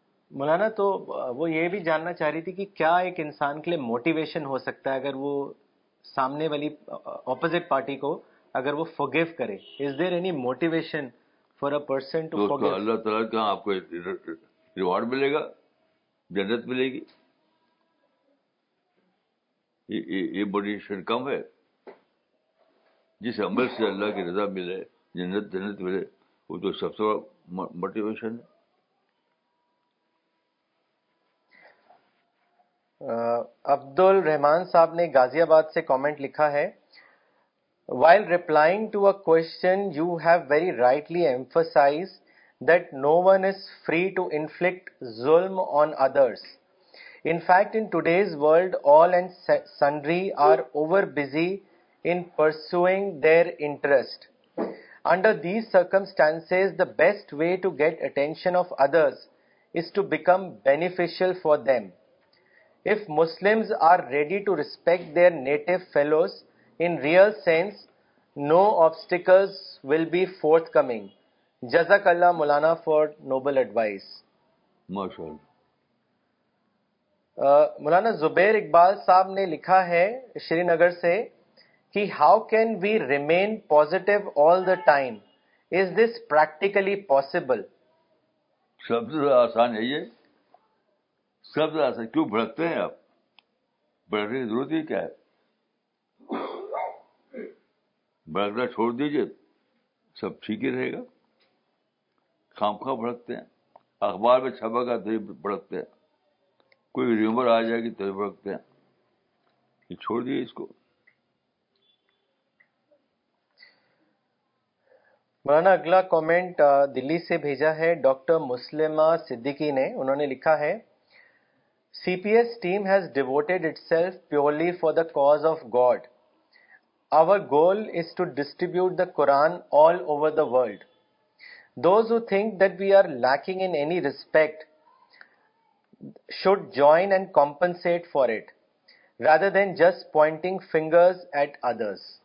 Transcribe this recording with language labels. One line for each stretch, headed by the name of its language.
Urdu: مولانا, تو وہ یہ بھی جاننا چاہ رہی تھی کہ کیا ایک انسان کے لیے موٹیویشن ہو سکتا ہے اگر وہ سامنے والی اپوزٹ پارٹی کو اگر وہ فورگیو کرے.
English: Is there any motivation for a person to forgive?
Urdu: اللہ تعالیٰ کا آپ کو ریوارڈ ملے گا, جنت ملے گی. یہ موٹیویشن کم ہے. جس عمل سے اللہ کی رضا ملے, جنت ملے, وہ تو سب سے بڑا موٹیویشن ہے. عبد الرحمان صاحب نے غازی آباد سے کامنٹ لکھا ہے,
English: While replying to a question you have very rightly emphasise that no one is free to inflict ظلم on others. In fact in today's world all and sundry are over busy in pursuing their interest. Under these circumstances the best way to get attention of others is to become beneficial for them. If Muslims are ready to respect their native fellows in real sense, no obstacles will be forthcoming. Jazakallah Mulana for noble advice. MashaAllah.
Urdu: Mulana Zubair Iqbal sahab ne likha hai Srinagar se ki
English: how can we remain positive all the time? Is this practically possible?
Urdu: Shabd aasan hai ye. سب سے آسان. کیوں بھڑکتے ہیں آپ؟ بھڑکنے کی ضرورت ہی کیا ہے؟ بھڑکنا چھوڑ دیجئے, سب ٹھیک ہی رہے گا. خام خواہ بھڑکتے ہیں, اخبار میں چھپا گا تو بھڑکتے ہیں, کوئی ریومر آ جائے گی تو بھڑکتے ہیں. یہ چھوڑ دیجئے اس کو. مولانا اگلا کامنٹ دلی سے بھیجا ہے ڈاکٹر مسلمہ صدیقی نے. انہوں نے لکھا ہے,
English: CPS team has devoted itself purely for the cause of God. Our goal is to distribute the Quran all over the world. Those who think that we are lacking in any respect should join and compensate for it rather than just pointing fingers at others.